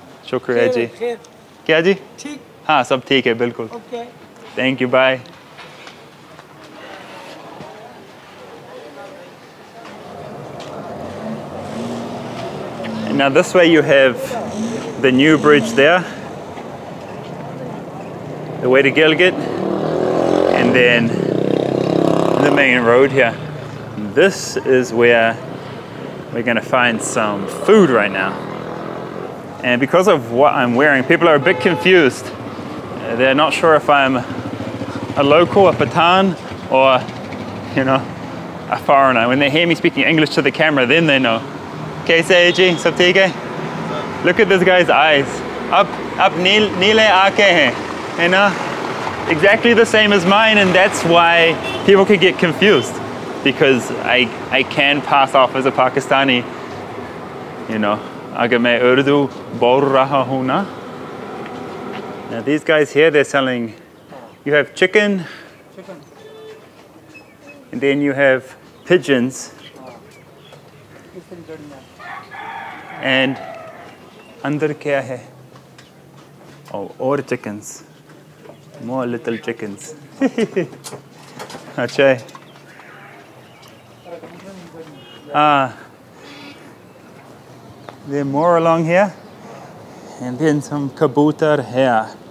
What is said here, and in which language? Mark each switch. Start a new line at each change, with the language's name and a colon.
Urdu: شکریہ جی۔ Kya ji? ہاں، سب ٹھیک ہے، بلکل۔
English: Okay. Thank you, bye. Now this way you have the new bridge there, the way to Gilgit, and then the main road here. This is where we're gonna find some food right now. And because of what I'm wearing, people are a bit confused. They're not sure if I'm a local, a Pathan, or, you know, a foreigner. When they hear me speaking English to the camera, then they know.
Urdu: کیسے ہے جی، سب ٹھیک ہے؟
English: Look at this guy's eyes.
Urdu: اپ نیلے آکے ہیں، ہے نا؟
English: Exactly the same as mine, and that's why people can get confused, because I can pass off as a Pakistani. You know,
Urdu: اگر میں اردو بول رہا ہوں نا؟
English: Now these guys here, they're selling, you have chicken. And then you have pigeons. And under
Urdu: کیا ہے؟
English: Oh, or chickens. More little chickens.
Urdu: Achai.
English: There are more along here. And then some kabutar here.